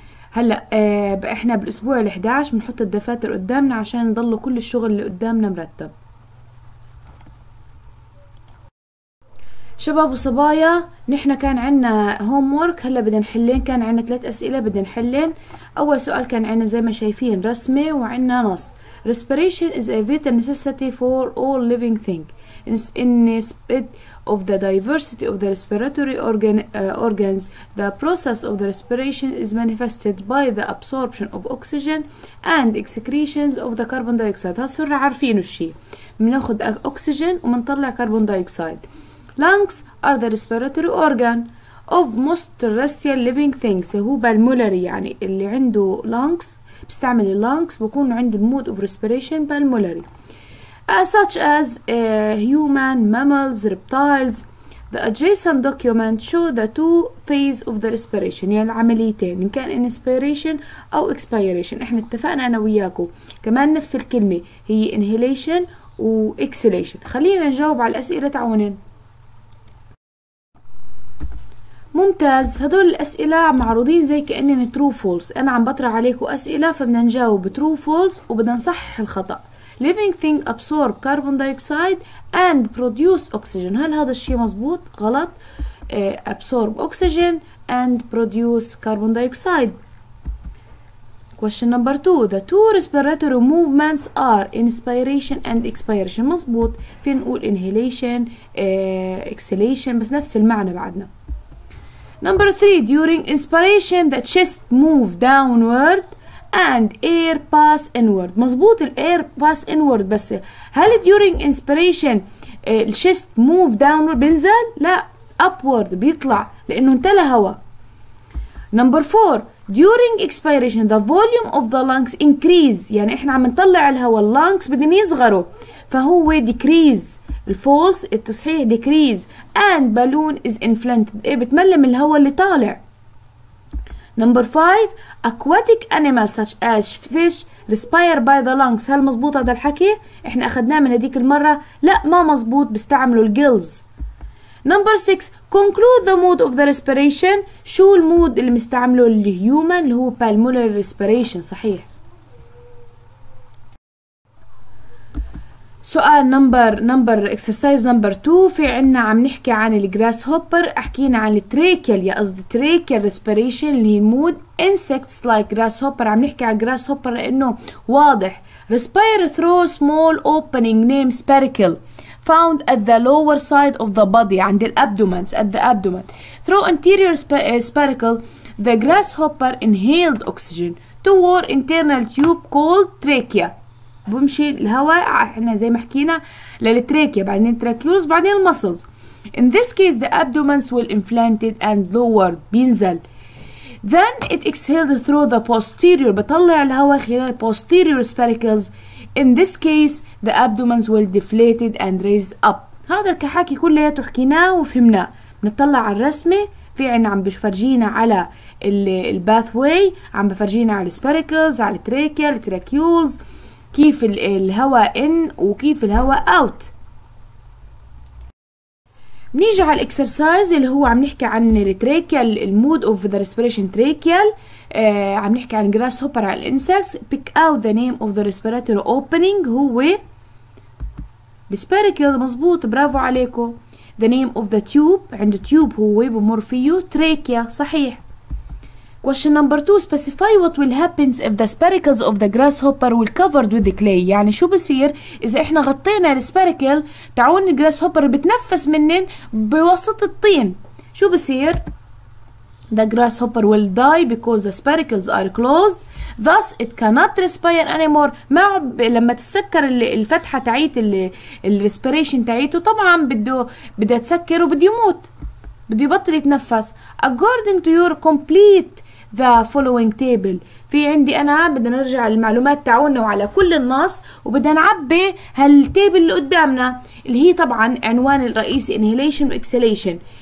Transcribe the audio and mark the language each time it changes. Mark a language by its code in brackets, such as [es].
[ar] هلا احنا بالاسبوع ال11 بنحط الدفاتر قدامنا عشان نضل كل الشغل اللي قدامنا مرتب. شباب وصبايا، نحن كان عنا هومورك، هلا بدنا نحلين. كان عنا 3 أسئلة بدنا نحلين. أول سؤال كان عنا زي ما شايفين رسمة وعنا نص. [en] Respiration is a vital necessity for all living thing in spite of the diversity of the respiratory organs. The process of the respiration is manifested by the absorption of oxygen and excretions of the carbon dioxide. [ar] هالسرعة عارفين الشي، بناخد أكسجين ومنطلع كربون دايوكسيد. [en] Lungs are the respiratory organ of most terrestrial living things. [ar] هو بالمولاري، يعني اللي عنده lungs بيستعمل lungs، بكون عنده mode of respiration بالمولاري. [en] Such as human, mammals, reptiles. The adjacent document show the two phase of the respiration، [ar] يعني العمليتين، إن كان [en] inspiration أو expiration. [ar] إحنا اتفقنا أنا وياكو كمان نفس الكلمة، هي inhalation و exhalation. خلينا نجاوب على الأسئلة تعاونين. ممتاز، هدول الأسئلة معروضين زي كأننا true false. أنا عم بطرح عليكم أسئلة فبدنا نجاوب true false وبدنا نصحح الخطأ. [en] Living thing absorb carbon dioxide and produce oxygen. [ar] هل هذا الشيء مزبوط؟ غلط. [en] Absorb oxygen and produce carbon dioxide. Question number 2. The two respiratory movements are inspiration and expiration. [ar] مزبوط، فين نقول [en] inhalation exhalation، [ar] بس نفس المعنى بعدنا. [en] Number 3. During inspiration the chest move downward and air pass inward. [ar] مظبوط، ال [en] air pass inward، [ar] بس هل [en] during inspiration [ar] ال [en] chest move downward [ar] بينزل؟ لا، upward بيطلع لأنه انتلى هواء. [en] Number 4. During expiration the volume of the lungs increase، [ar] يعني احنا عم نطلع الهواء lungs بدهم يصغروا، فهو [en] decrease. [ar] الفولس التصحيح [en] decrease and balloon is inflated، [ar] ايه بتملم الهواء اللي طالع. [en] Number 5. Aquatic animals such as fish respire by the lungs. [ar] هل مزبوط هذا الحكي؟ احنا اخدناه من هذيك المرة، لا ما مزبوط، بيستعملوا الجلز. [en] Number 6. Conclude the mode of the respiration، [ar] شو المود اللي مستعمله الهيومن؟ اللي هو [en] pulmonary respiration. [ar] صحيح. سؤال نمبر اكسرسايز نمبر 2، في عنا عم نحكي عن الجراس هوبر، احكينا عن التريكيال، يا قصدي تريكيال ريسبيريشن اللي مود انسكتس لايك جراس هوبر. عم نحكي عن جراس هوبر لانه واضح. [en] Respire through small opening name spiracle found at the lower side of the body, عند الابدومنز، at the abdomen through anterior spiracle. The grasshopper inhaled oxygen to our internal tube called trachea. [ar] بمشي الهواء احنا زي ما حكينا للتريكيا، بعدين التراكيوز، بعدين المسلز. [en] In this case the abdomen will inflated and lowered، [ar] بينزل. [en] Then it exhaled through the posterior، [ar] بطلع الهواء خلال [en] posterior spiracles. In this case the abdomen will deflated and raised up. [ar] هذا الكحاكي كله حكيناه وفهمناه. بنطلع على الرسمة، في عنا عم بفرجينا على الباثوي، عم بفرجينا على spiracles، على التريكيا، التراكيوز، كيف الهواء ان وكيف الهواء اوت. بنيجي على الاكسرسايز اللي هو عم نحكي عن التريكيال، المود اوف ذا ريسبيريشن تريكيال. عم نحكي عن جراس هوبر على الانسكتس. [en] Pick out the name of the respiratory opening, هو السبيركل. [ar] مظبوط، برافو عليكم. [en] the name of the tube, [ar] عند تيوب هو بمر فيه تريكيا. [en] صحيح. Question number 2. Specify what will happen if the spiracles of the grasshopper will covered with clay. [ar] يعني شو بصير إذا إحنا غطينا السباركل تعون الجراسهوبر بتنفس منن بواسطة الطين؟ شو بصير؟ [en] The grasshopper will die because the spiracles are closed. Thus it cannot respire anymore. [ar] لما تسكر الفتحة تعيت الريسبيريشن تعيته، طبعا بده تسكر وبده يموت، بده يبطل يتنفس. [en] According to your complete the following table، [ar] في عندي انا بدنا نرجع للمعلومات تاعونا وعلى كل النص وبدنا نعبي هالتيبل اللي قدامنا، اللي هي طبعا عنوان الرئيسي inhalation و exhalation.